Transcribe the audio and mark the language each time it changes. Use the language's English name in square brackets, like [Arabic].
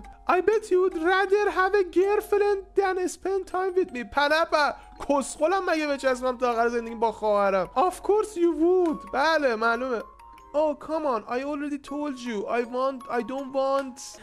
[English] I bet you'd rather have a girlfriend than spend time with me. [Persian] پنپا کسخولم مگه بچسبم تا آخر زندگی با خواهرم. [English] Of course you would. [Persian] بله معلومه. [English] Oh come on, I already told you I don't want.